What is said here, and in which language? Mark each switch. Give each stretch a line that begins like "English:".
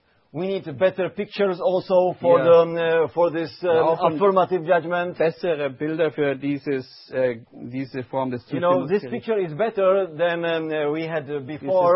English: We need better pictures also for yeah. For this affirmative judgment.
German: Bessere Bilder für diese Form des Zustimmungs.
English: You know, this picture is better than we had before.